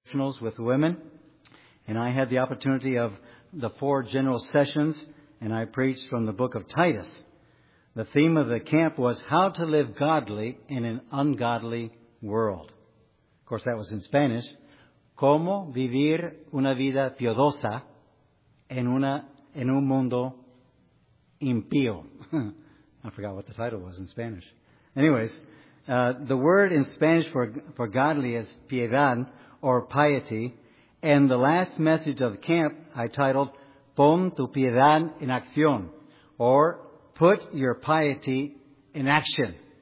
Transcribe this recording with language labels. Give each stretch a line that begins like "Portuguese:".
English: professionals with women, and I had the opportunity of the four general sessions, and I preached from the book of Titus. The theme of the camp was how to live godly in an ungodly world. Of course, that was in Spanish.
Spanish: ¿Cómo vivir una vida piadosa en un mundo impío?
English: I forgot what the title was in Spanish. Anyways, the word in Spanish for godly is piedad or piety. And the last message of the camp I titled,
Spanish: Pon tu piedad en acción,
English: or put your piety in action.